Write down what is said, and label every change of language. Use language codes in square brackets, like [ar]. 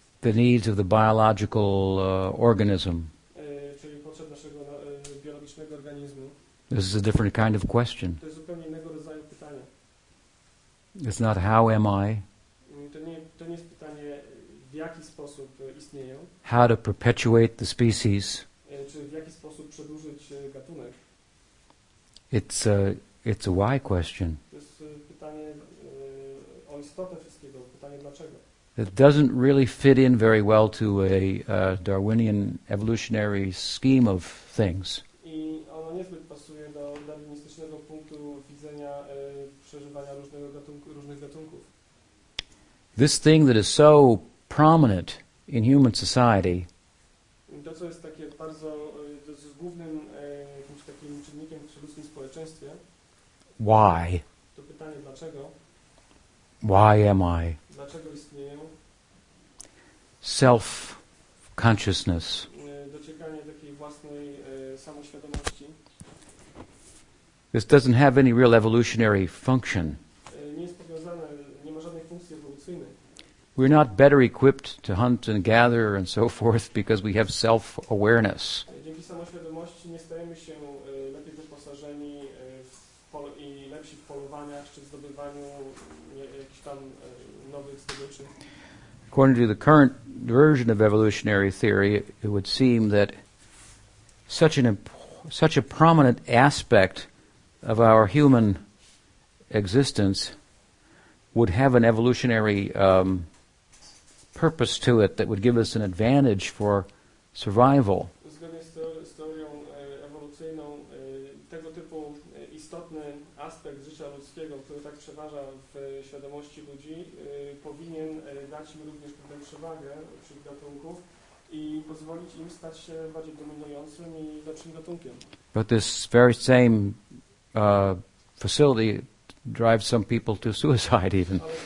[en] The needs of the biological organism. [pl] Czyli potrzeb naszego biologicznego organizmu. [en] This is a different kind of question. [pl] To jest zupełnie innego rodzaju pytanie. [en] It's not how am I. [pl] To nie jest pytanie, w jaki sposób istnieję. [en] How to perpetuate the species. [pl] Czy w jaki sposób przedłużyć gatunek. [en] It's a why question. [pl] To jest pytanie o istotę wszystkiego, pytanie dlaczego. [en] It doesn't really fit in very well to a Darwinian evolutionary scheme of things. [pl] I ono niezbyt pasuje do darwinistycznego punktu widzenia przeżywania różnych gatunków. [en] This thing that is so prominent in human society, [pl] to co jest takie bardzo głównym takim czynnikiem w ludzkim społeczeństwie, [en] why? [pl] To pytanie dlaczego. [en] Why am I? [pl] Dlaczego istnieję? [en] Self-consciousness. [pl] Dociekanie takiej własnej samoświadomości. [en] This doesn't have any real evolutionary function. [pl] Nie jest powiązane, nie ma żadnej funkcji ewolucyjnej. [en] We're not better equipped to hunt and gather and so forth because we have self-awareness. [pl] Dzięki samoświadomości nie stajemy się lepiej wyposażeni i lepsi w polowaniach czy zdobywaniu jakichś tam nowych zdobyczy. [en] According to the current version of evolutionary theory, it would seem that such a prominent aspect of our human existence would have an evolutionary purpose to it that would give us an advantage for survival. [pl] Zgodnie z teorią ewolucyjną, tego typu istotny aspekt życia ludzkiego, który tak przeważa w świadomości ludzi, powinien dać im również pewną przewagę wśród gatunków i pozwolić im stać się bardziej dominującym i lepszym gatunkiem. [en] But this very same facility drives some people to suicide even.